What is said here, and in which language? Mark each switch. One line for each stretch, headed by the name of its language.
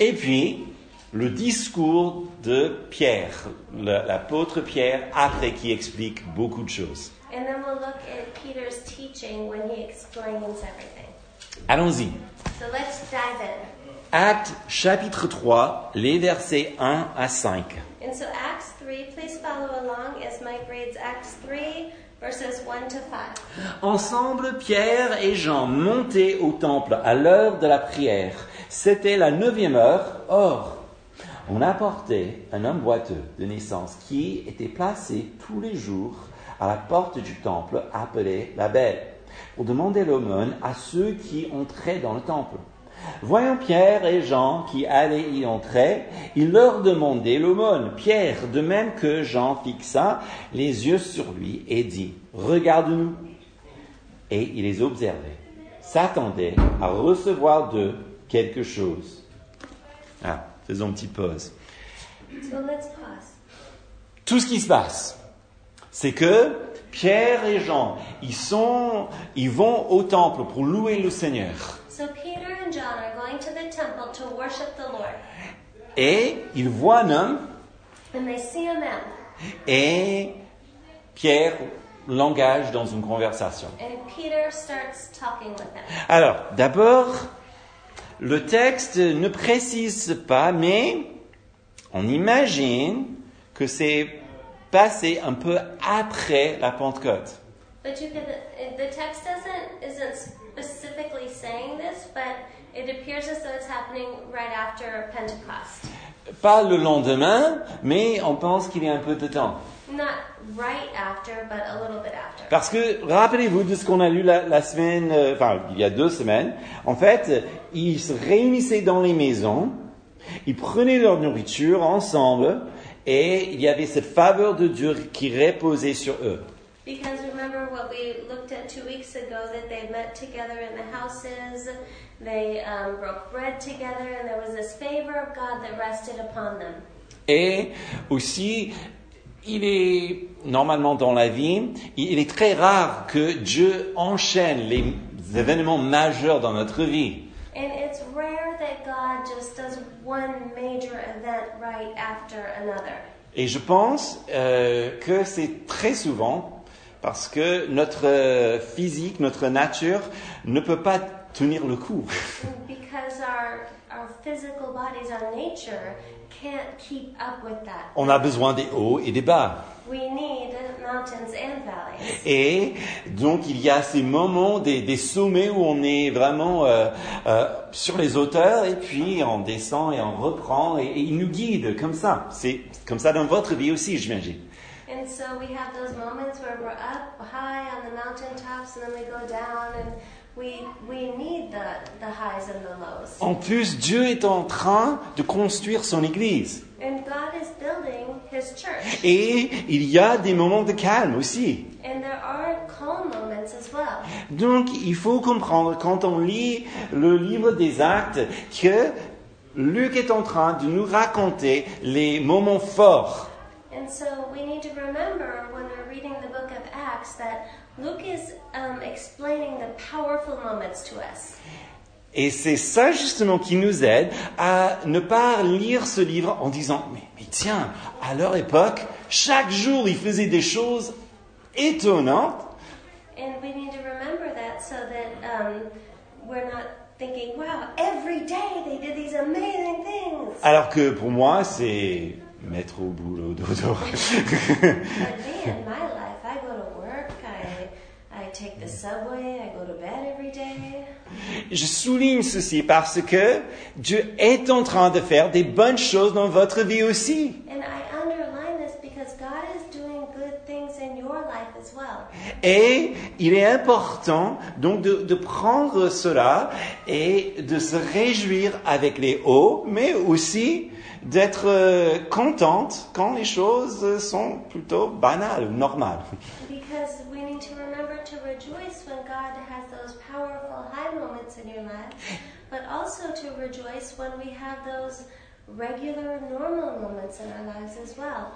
French: Et puis, le discours de Pierre, l'apôtre Pierre, après qui explique beaucoup de choses.
English: And then we'll look at Peter's teaching when he explains everything.
French: Allons-y.
English: So let's dive in.
French: Actes chapitre 3, les versets 1 à 5.
English: And so Acts 3, please follow along as Mike reads Acts 3, verses 1 to 5.
French: Ensemble, Pierre et Jean montaient au temple à l'heure de la prière. C'était la 9e heure. Or, on apportait un homme boiteux de naissance qui était placé tous les jours à la porte du temple appelée la Belle, pour demander l'aumône à ceux qui entraient dans le temple. Voyant Pierre et Jean qui allaient y entrer, il leur demandait l'aumône. Pierre, de même que Jean, fixa les yeux sur lui et dit, « Regarde-nous !» Et il les observait, s'attendait à recevoir d'eux quelque chose. Ah, faisons une petite pause.
English: So let's pause.
French: Tout ce qui se passe, c'est que Pierre et Jean, ils vont au temple pour louer le Seigneur.
English: So Peter and John are going to the temple to worship the Lord.
French: Et ils voient un homme.
English: And they see a man.
French: Et Pierre l'engage dans une conversation.
English: And Peter starts talking with him.
French: Alors, d'abord, le texte ne précise pas, mais on imagine que c'est passé un peu après la Pentecôte.
English: But you could, the text isn't specifically saying this, but it appears as though it's happening right after Pentecost.
French: Pas le lendemain, mais on pense qu'il y a un peu de temps.
English: Not right after, but a little bit after.
French: Parce que, rappelez-vous de ce qu'on a lu il y a 2 semaines. En fait, ils se réunissaient dans les maisons, ils prenaient leur nourriture ensemble, et il y avait cette faveur de Dieu qui reposait sur eux.
English: Because remember what we looked at 2 weeks ago, that they met together in the houses, they broke bread together, and there was this favor of God that rested upon them.
French: Et aussi, il est normalement dans la vie, il est très rare que Dieu enchaîne les événements majeurs dans notre vie.
English: And it's rare that God just does one major event right after another.
French: Et je pense que c'est très souvent parce que notre physique, notre nature ne peut pas tenir le coup.
English: Because our physical bodies, our nature can't keep up with that.
French: On a besoin des hauts et des bas.
English: We need mountains and valleys.
French: Et donc il y a ces moments, des sommets où on est vraiment sur les hauteurs et puis on descend et on reprend et il nous guide comme ça. C'est comme ça dans votre vie aussi, j'imagine.
English: And so we have those moments where we're up high on the mountain tops and then we go down and we need the highs and the lows.
French: En plus, Dieu est en train de construire son église.
English: And God is building his church.
French: Et il y a des moments de calme aussi.
English: And there are calm moments as well.
French: Donc, il faut comprendre quand on lit le livre des Actes que Luc est en train de nous raconter les moments forts.
English: And so we need to remember when we're reading the book of Acts that Luke is explaining the powerful moments to us.
French: Et c'est ça justement qui nous aide à ne pas lire ce livre en disant mais tiens, à leur époque, chaque jour ils faisaient des choses étonnantes.
English: And we need to remember that so that we're not thinking wow, every day they did these amazing things.
French: Alors que pour moi, c'est mettre au boulot dodo.
English: But me, in my life, I go to work, I take the subway, I go to bed every day.
French: Je souligne ceci parce que Dieu est en train de faire des bonnes choses dans votre vie aussi.
English: And I underline this because God is doing good things in your life as well.
French: Et il est important donc de prendre cela et de se réjouir avec les hauts, mais aussi d'être contente quand les choses sont plutôt banales, normales.
English: Because we need to remember to rejoice when God has those powerful high moments in your life, but also to rejoice when we have those regular, normal moments in our lives as well.